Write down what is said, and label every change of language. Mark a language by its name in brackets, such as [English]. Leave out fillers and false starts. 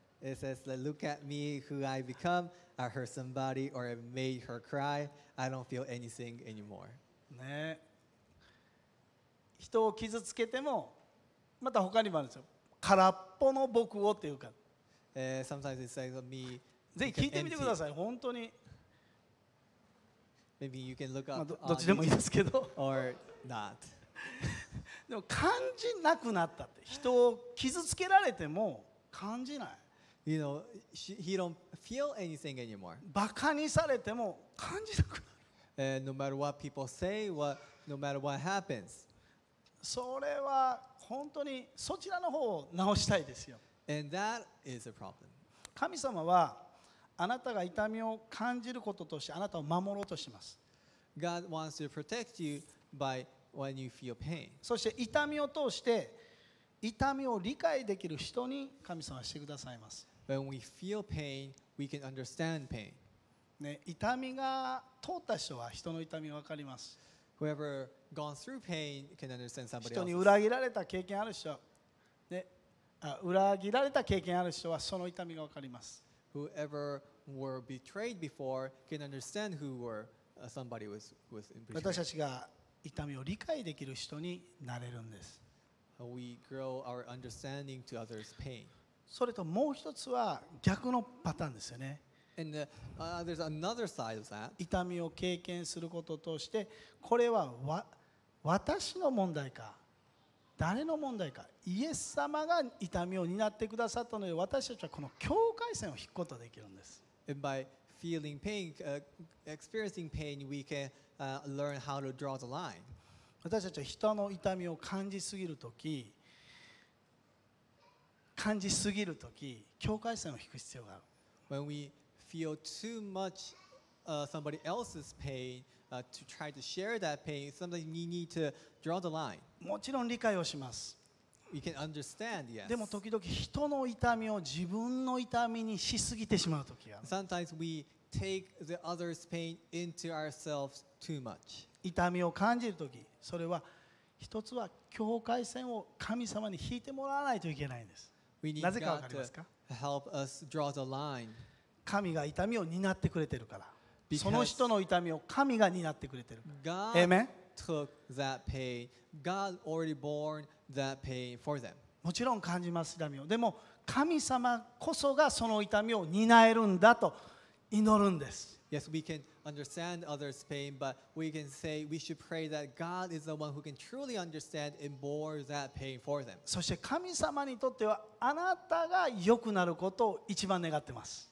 [English] It says, look at me, who I become. I hurt somebody or I made her cry. I don't feel anything anymore. [Japanese] ね、人を傷つけても、また他にもあるんですよ。空っぽの僕をっていうか。 [English] Sometimes it says me. [Japanese] ぜひ聞いてみてください。本当に。 [English] Maybe you can look up. [Japanese] どっちでもいいですけど。 [English] Or not. [Japanese] でも感じなくなったって。人を傷つけられても感じない。 [English] You know, he don't feel anything anymore. [Japanese] バカにされても感じなくなる。 [English] No matter what people say, no matter what happens. [Japanese] それは本当にそちらの方を直したいですよ。 [English] And that is a problem. [Japanese] 神様はあなたが痛みを感じることとしてあなたを守ろうとします。 [English] God wants to protect you by when you feel pain. [Japanese] そして痛みを通して痛みを理解できる人に神様はしてくださいます。 [English] When we feel pain, we can understand pain. [Japanese] ね、痛みが通った人は人の痛みが分かります。 [English] Whoever gone through pain can understand somebody else. [Japanese] 人に裏切られた経験ある人、ね、裏切られた経験ある人はその痛みが分かります。 [English] Whoever were betrayed before can understand who were somebody was betrayed. [Japanese] 私たちが痛みを理解できる人になれるんです。 [English] We grow our understanding to others' pain. [Japanese] それともう一つは逆のパターンですよね。 [English] And there's another side of that. [Japanese] 痛みを経験することとして、これは私の問題か、誰の問題か。イエス様が痛みを担ってくださったので、私たちはこの境界線を引くことができるんです。 [English] And by feeling pain, experiencing pain, we can learn how to draw the line. [Japanese] 私たちは人の痛みを感じすぎるとき、感じすぎるとき、境界線を引く必要がある。 [English] When we feel too much somebody else's pain, to try to share that pain, sometimes we need to draw the line. [Japanese] もちろん理解をします。 [English] We can understand, yes. [Japanese] でも時々人の痛みを自分の痛みにしすぎてしまうときがある。 [English] Sometimes we take the other's pain into ourselves too much. [Japanese] 痛みを感じるとき、それは一つは境界線を神様に引いてもらわないといけないんです。なぜかわかりますか？ [English] Help us draw the line. [Japanese] 神が痛みを担ってくれてるから。 [English] Because、 [Japanese] その人の痛みを神が担ってくれてるから。 [English] God took that pain. God already borne that pain for them. [Japanese] もちろん感じます痛みを。でも神様こそがその痛みを担えるんだと祈るんです。 [English] Yes, we can understand others' pain, but we can say we should pray that God is the one who can truly understand and bore that pain for them. [Japanese] そして神様にとってはあなたが良くなることを一番願ってます。